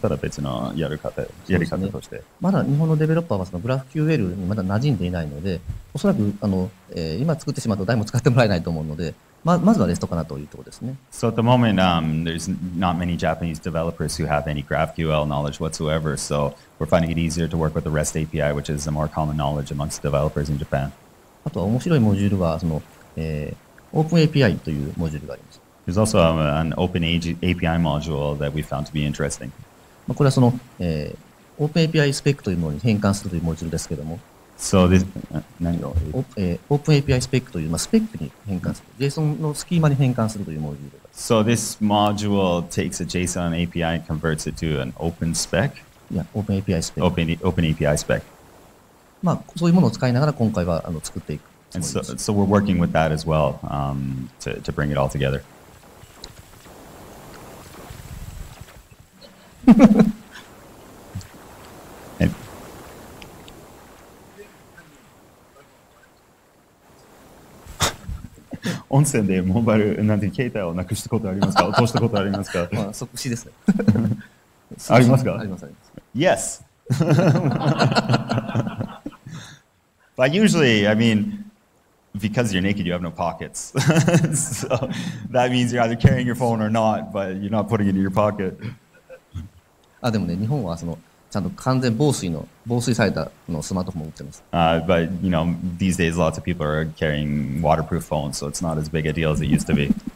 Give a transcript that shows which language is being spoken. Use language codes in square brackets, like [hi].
[ja] ただ別のやり方として、ね。まだ日本のデベロッパーはその GraphQL にまだ馴染んでいないので、おそらく今作ってしまうと誰も使ってもらえないと思うので、まずはレストかなというところですね。 [en] So at the moment, there's not many Japanese developers who have any GraphQL knowledge whatsoever. So we're finding it easier to work with the REST API, which is a more common knowledge amongst developers in Japan. [ja] あとは面白いモジュールはOpen API というモジュールがあります。 [en] There's also an Open API module that we found to be interesting. [ja] これはOpen API spec というものに変換するというモジュールですけども。 [en] So this [ja] 何を Open API spec というスペックに変換する、JSON のスキーマに変換するというモジュールです。 [en] So this module takes a JSON API and converts it to an Open spec? Yeah, Open API spec. Open API spec. [ja] そういうものを使いながら今回は作っていく。 [en] And so we're working with that as well, to bring it all together. And [ja] 温泉でモバイル、なんて、携帯をなくしたことありますか？落としたことありますか？即死ですね。ありますか？あります、あります。 [en] Yes! But usually, I mean,Because you're naked, you have no pockets. So that means you're either carrying your phone or not, but you're not putting it in your pocket. [ja] あ、でもね、日本はちゃんと完全防水されたスマートフォンも売ってます。 [en] But you know, these days lots of people are carrying waterproof phones, so it's not as big a deal as it used to be.